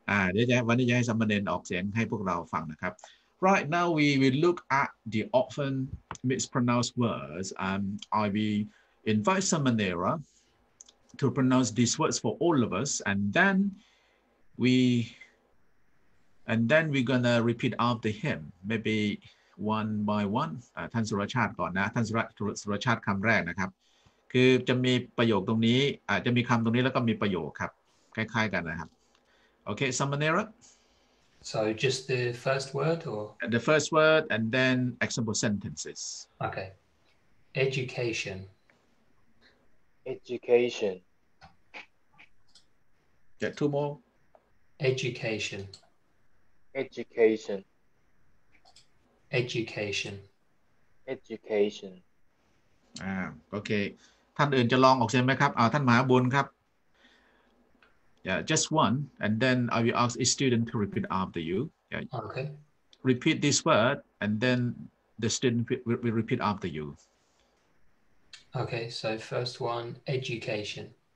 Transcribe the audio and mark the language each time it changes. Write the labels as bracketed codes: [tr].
[th] เดี๋ยววันนี้จะให้สมณเณรออกเสียงให้พวกเราฟังนะครับ [en] right now we will look at the often mispronounced words I will invite Samanera to pronounce these words for all of us, and then we And then we're gonna repeat after him, maybe one by one. [th] ท่านสุรชาติก่อนนะท่านสุรชาติคำแรกนะครับคือจะมีประโยคตรงนี้จะมีคำตรงนี้แล้วก็มีประโยคครับคล้ายๆกันนะครับโอเค Samanera [en] So just the first word or the first word and then example sentences Okay Education Education Yeah, two more Education Education Education Education [th] โอเคท่านอื่นจะลองออกเสียงไหมครับท่านมหาบุญครับ [en] yeah just one and then I will ask a student to repeat after you yeah okay repeat this word and then the student will repeat after you okay so first one education